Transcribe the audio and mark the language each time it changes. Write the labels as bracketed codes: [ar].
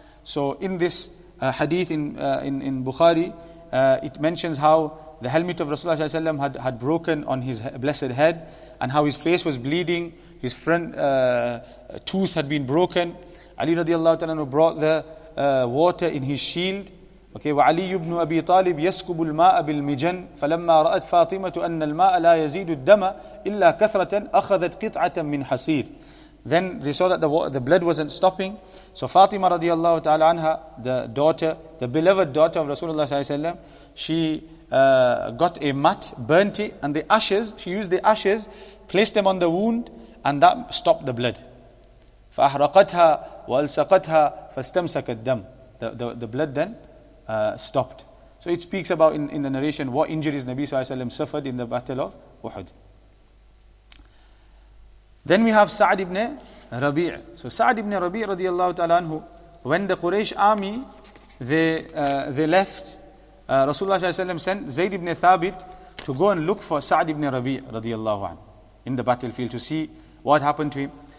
[en] So in this hadith in Bukhari, it mentions how the helmet of Rasulullah Sallallahu Alaihi Wasallam had broken on his blessed head, and how his face was bleeding, his front tooth had been broken. Ali radiallahu ta'ala anhu brought the water in his shield. [ar] Okay, وعلي بن أبي طالب يسكب الماء بالمجن فلما رأت فاطمة أن الماء لا يزيد الدم إلا كثرة أخذت قطعة من حصير. [en] Then they saw that the blood wasn't stopping. So Fatima radiallahu ta'ala anha, the beloved daughter of Rasulullah sallallahu alayhi wa sallam, she got a mat, burnt it, and she used the ashes, placed them on the wound, and that stopped the blood. [ar] فأحرقتها وألسقتها فاستمسك الدم. [en] The blood then stopped. So it speaks about in the narration what injuries Nabi Sallallahu Alaihi Wasallam suffered in the Battle of Uhud. Then we have Sa'd ibn Rabi'. So Sa'd ibn Rabi' radiallahu ta'ala anhu, when the Quraysh army they left, Rasulullah Sallallahu Alaihi Wasallam sent Zayd ibn Thabit to go and look for Sa'd ibn Rabi' radiallahu anhu in the battlefield to see what happened to him.